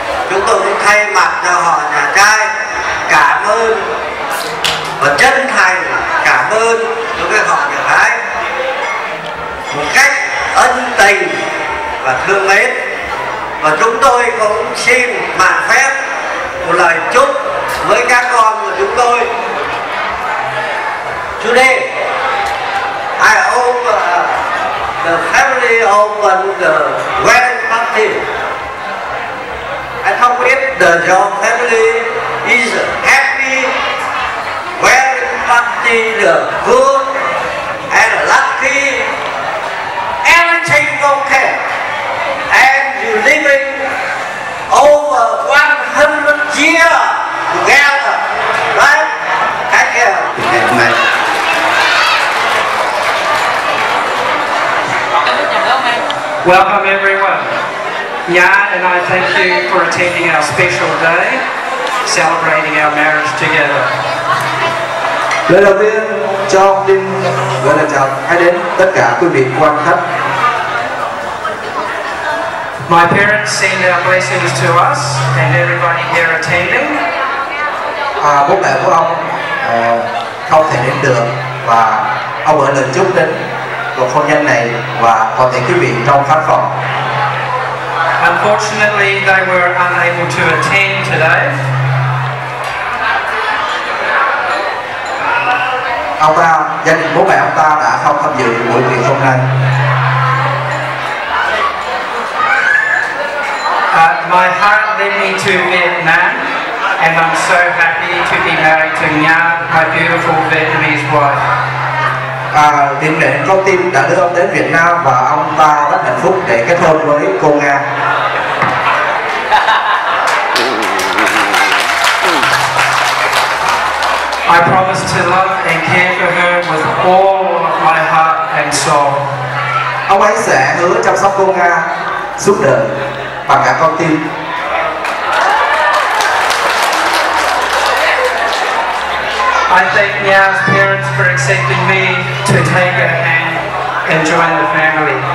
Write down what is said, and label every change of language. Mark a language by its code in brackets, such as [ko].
[vi] Chúng tôi cũng thay mặt cho họ nhà trai cảm ơn và chân thành cảm ơn đối với họ nhà gái một cách ân tình và thương mến. Và chúng tôi cũng xin mạn phép một lời chúc với các con của chúng tôi. [en] Today I hope the family open the wedding party. I hope it the your family is happy wedding party, the good and lucky, everything okay, and you living over 100 years together, right? Thank you. Amen. Welcome everyone. Jan and I thank you for attending our special day, celebrating our marriage together. [vi] Lời đầu tiên cho ông Tim gửi lời chào hãy đến tất cả quý vị quan khách. [en] My parents send their blessings to us and everybody here attending. [vi] Bố mẹ của ông không thể đến được và ông gửi lời chúc đến cuộc hôn nhân này và toàn thể quý vị trong khán phòng. [en] Unfortunately, they were unable to attend today. [vi] Ông ta, gia đình bố mẹ ông ta đã không tham dự buổi tiệc hôm nay. [en] My heart led me to Vietnam, and I'm so happy to be married to Nhan, my beautiful Vietnamese wife. [vi] Điểm đến con tim đã đưa ông đến Việt Nam và ông ta rất hạnh phúc để kết hôn với cô Nga. [en] I promise to love and care for her with all of my heart and soul. [vi] Ông ấy sẽ hứa chăm sóc cô Nga suốt đời bằng cả con tim. [en] I thank Nhan's parents for accepting me to take her hand and join the family.